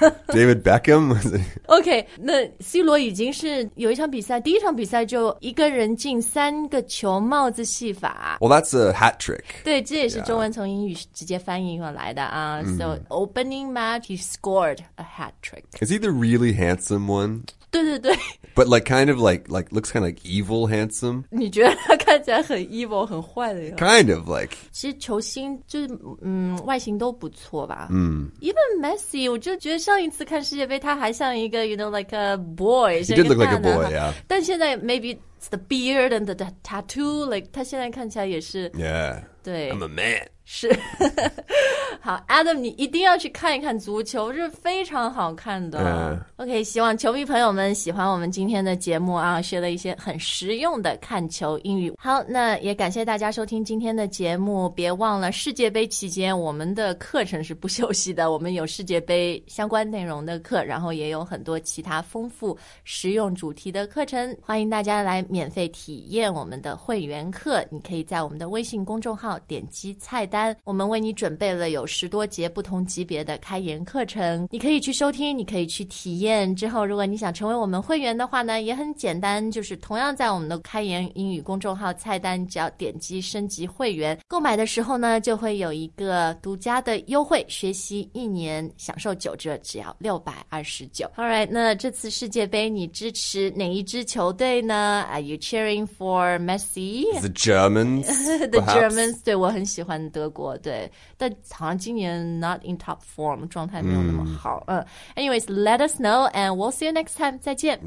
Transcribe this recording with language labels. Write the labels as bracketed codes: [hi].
[en] David Beckham [zh] OK 那 C 罗已经是有一场比赛第一场比赛就一个人进三个球帽子戏法 [en] Well that's a hat trick [zh] 对这也是中文从英语直接翻译过来的啊、 [en] So opening match he scored a hat trick Is he the really handsome one? [zh] 对对对 [en] But like kind of like looks kind of like evil handsome [zh] 你觉得他看起来很 evil 很坏的 [en] Kind of like [zh] 其实球星就是外形都不错吧嗯 [en] Even Messi, [zh] 我就觉得上一次看世界杯他还像一个 [en] you know, like a boy. He did look like a boy, yeah. [zh] 但现在 [en] maybe it's the beard and the tattoo, like [zh] 他现在看起来也是 [en] Yeah, [zh] 对 [en] I'm a man. [zh] 是好 Adam, 你一定要去看一看足球是非常好看的。 OK, 希望球迷朋友们喜欢我们今天的节目啊学了一些很实用的看球英语。好那也感谢大家收听今天的节目别忘了世界杯期间我们的课程是不休息的我们有世界杯相关内容的课然后也有很多其他丰富实用主题的课程。欢迎大家来免费体验我们的会员课你可以在我们的微信公众号点击菜单我们为你准备了有十多节不同级别的开源课程你可以去收听你可以去体验之后如果你想成为我们会员的话呢也很简单就是同样在我们的开源英语公众号菜单只要点击升级会员购买的时候呢就会有一个独家的优惠学习一年享受九折只要629 [en] Alright [zh] 那这次世界杯你支持哪一支球队呢 [en] Are you cheering for Messi? The Germans The Germans [zh] 对我很喜欢德国对但好像今年 [en] not in top form [zh] 状态没有那么好、 [en] Anyways let us know and we'll see you next time [zh] 再见